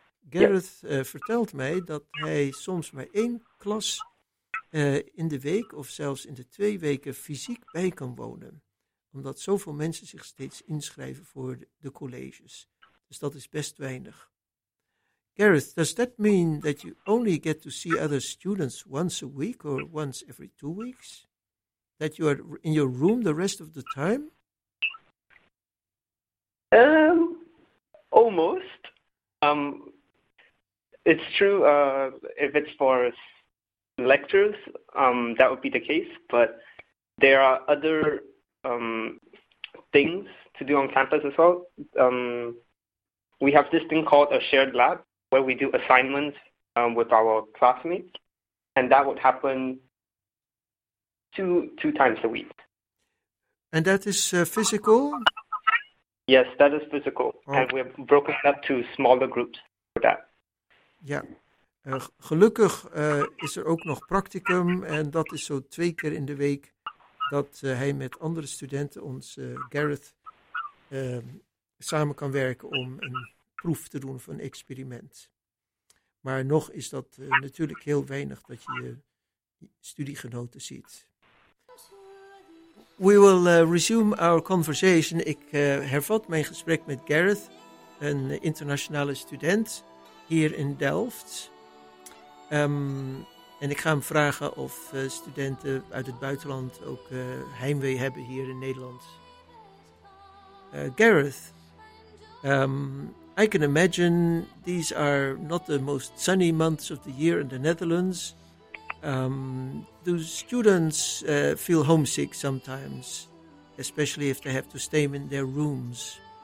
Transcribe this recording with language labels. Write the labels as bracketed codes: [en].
[nl] Gareth vertelt mij dat hij soms maar 1 klas in de week of zelfs in de 2 weken fysiek bij kan wonen. Omdat zoveel mensen zich steeds inschrijven voor de colleges. Dus dat is best weinig. [en] Gareth, does that mean that you only get to see other students once a week or once every 2 weeks? That you are in your room the rest of the time? Almost. It's true, if it's for lectures, that would be the case, but there are other things to do on campus as well. We have this thing called a shared lab where we do assignments with our classmates, and that would happen two times a week. And that is physical? Yes, that is physical, oh. And we're broken up to smaller groups for that. [nl] Ja, gelukkig is er ook nog practicum en dat is zo 2 keer in de week dat hij met andere studenten, ons Gareth, samen kan werken om een proef te doen of een experiment. Maar nog is dat natuurlijk heel weinig dat je studiegenoten ziet. [en] We will resume our conversation. [nl] Ik hervat mijn gesprek met Gareth, een internationale student hier in Delft. En ik ga hem vragen of studenten uit het buitenland ook heimwee hebben hier in Nederland. [en] Gareth, I can imagine these are not the most sunny months of the year in the Netherlands. Do students feel homesick sometimes, especially if they have to stay in their rooms?